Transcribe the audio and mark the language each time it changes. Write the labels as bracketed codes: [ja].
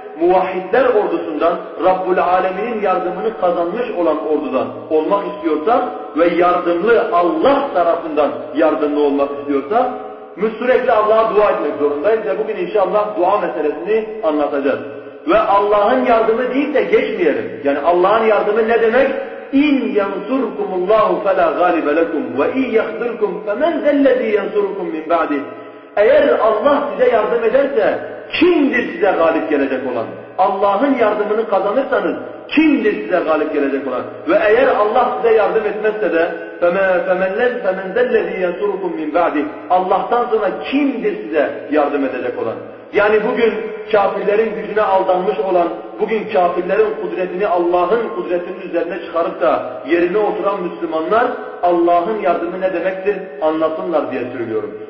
[tr] muvahhidler ordusundan, Rabbul Alemin'in yardımını kazanmış olan ordudan olmak istiyorsa ve yardımlı Allah tarafından yardımlı olmak istiyorsa sürekli Allah'a dua etmek zorundayız ve bugün inşallah dua meselesini anlatacağız. Ve Allah'ın yardımı deyip de geçmeyelim. Yani Allah'ın yardımı ne demek? [ar] اِنْ يَنْصُرْكُمُ اللّٰهُ فَلَا غَالِبَ لَكُمْ وَاِنْ يَخْذُرْكُمْ فَمَنْ ذَلَّذ۪ي يَنْصُرْكُمْ مِنْ بَعْدِهِ [tr] Eğer Allah size yardım ederse, kimdir size galip gelecek olan? Allah'ın yardımını kazanırsanız, kimdir size galip gelecek olan? Ve eğer Allah size yardım etmezse de, [ar] فَمَنْ ذَلَّذ۪ي يَنْصُرْكُمْ مِنْ بَعْدِهِ [tr] Allah'tan sonra kimdir size yardım edecek olan? Yani bugün kafirlerin gücüne aldanmış olan, bugün kafirlerin kudretini Allah'ın kudretinin üzerine çıkarıp da yerine oturan Müslümanlar Allah'ın yardımı ne demektir anlasınlar diye söylüyorum.